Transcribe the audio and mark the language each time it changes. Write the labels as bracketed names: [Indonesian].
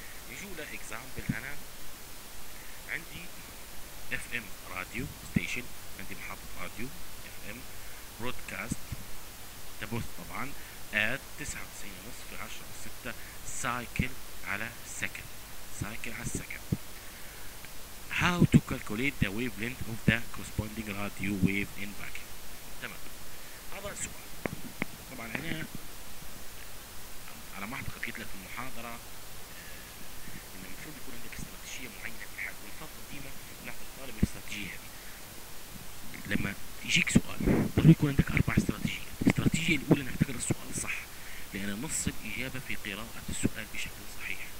[Arabic] نجو لـ example. أنا عندي FM راديو ستيشن، عندي محطة راديو FM برودكاست تبث طبعا 99.5 × 10^6 سايكل على السكند، سايكل على السكند. [English] How to calculate the wavelength of the corresponding radio wave in vacuum. [Arabic] تمام، هذا السؤال. طبعا هنا على ما اعتقد قلت لك في المحاضرة ان المفروض يكون عندك استراتيجية معينة في الحاجة، ويفضل ديما طالب الاستراتيجية هذه. لما يجيك سؤال ضروري يكون عندك 4 استراتيجيات. الاستراتيجية الأولى أنك تقرأ السؤال صح، لأن نص الإجابة في قراءة السؤال بشكل صحيح.